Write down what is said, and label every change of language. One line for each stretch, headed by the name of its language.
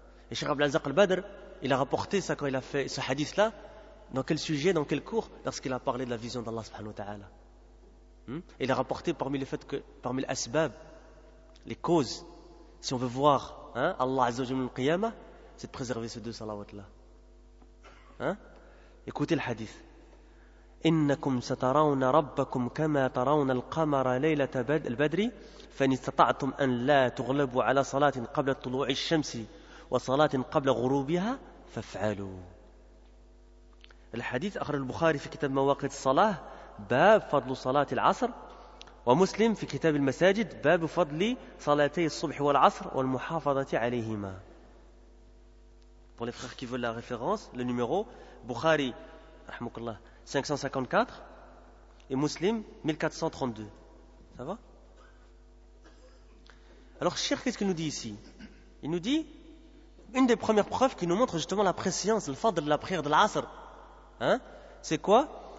French: et Cheikh Abdel Azzaq al-Badr il a rapporté ça quand il a fait ce hadith là dans quel sujet, dans quel cours lorsqu'il a parlé de la vision d'Allah subhanahu wa ta'ala. Il a rapporté parmi le fait que parmi les asbab, les causes, si on veut voir Allah Azza wa Jalla al-Qiyama, c'est de préserver ces deux salawat là. Écoutez le hadith.
Arabic: إنكم سترون ربكم كما ترون القمر ليلة البدر فإن استطعتم أن لا تغلبوا على صلاة قبل طلوع الشمس وصلاة قبل غروبها فافعلوا. الحديث أخرج البخاري في كتاب مواقيت الصلاة باب فضل صلاة العصر ومسلم في كتاب المساجد باب فضل صلاتي الصبح والعصر والمحافظة عليهما.
French: Pour les frères qui veulent la référence, le numéro Bukhari
Arabic: رحمك الله
French: 554 et Muslim 1432. Ça va? Alors Cheikh, qu'est-ce qu'il nous dit ici? Il nous dit une des premières preuves qui nous montre justement la préscience, le fadl de la prière de l'Asr. C'est quoi?